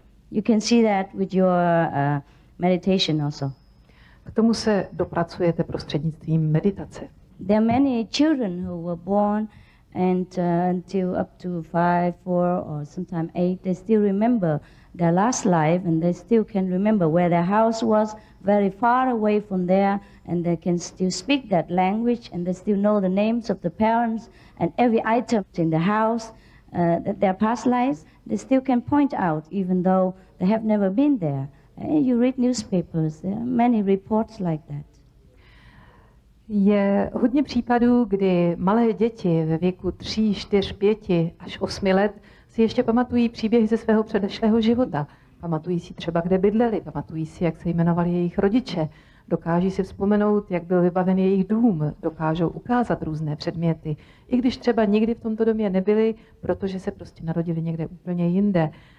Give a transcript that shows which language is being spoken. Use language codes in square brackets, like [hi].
[en] You can see that with your meditation also. [cs] K tomu se dopracujete prostřednictvím meditace. [en] There are many children who were born and until up to 5, 4 or sometimes 8, they still remember their last life, and they still can remember where their house was, very far away from there, and they can still speak that language, and they still know the names of the parents and every item in the house, that their past lives, they still can point out, even though they have never been there. And you read newspapers, there are many reports like that. [cs] Je hodně případů, kdy malé děti ve věku 3, 4, 5 až 8 let si ještě pamatují příběhy ze svého předešlého života. Pamatují si třeba, kde bydleli, pamatují si, jak se jmenovali jejich rodiče, dokáží si vzpomenout, jak byl vybaven jejich dům, dokážou ukázat různé předměty, i když třeba nikdy v tomto domě nebyli, protože se prostě narodili někde úplně jinde.